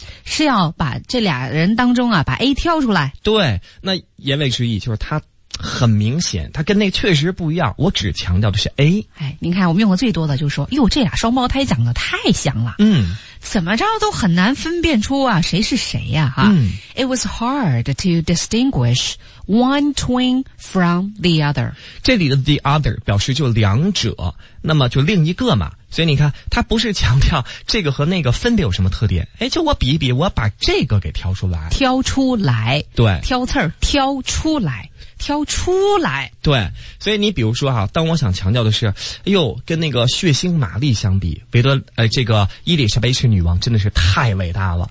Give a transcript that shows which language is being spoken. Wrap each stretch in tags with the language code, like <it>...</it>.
<zh>是要把这俩人当中啊把 A 挑出来。对，那言外之意就是他很明显他跟那确实不一样，我只强调的是 A。哎，您看我们用的最多的就是说，哟，这俩双胞胎长得太像了，怎么着都很难分辨出啊谁是谁啊。</zh> <en>It was hard to distinguish one twin from the other。</en> <zh>这里的 the other 表示就两者，那么就另一个嘛，所以你看他不是强调这个和那个分别有什么特点，哎，就我比一比，我把这个给挑出来，挑出来，对，挑刺儿，挑出来，挑出来。对，所以你比如说啊，当我想强调的是，哎呦，跟那个血腥玛丽相比，维多这个伊丽莎白一世女王真的是太伟大了。</zh>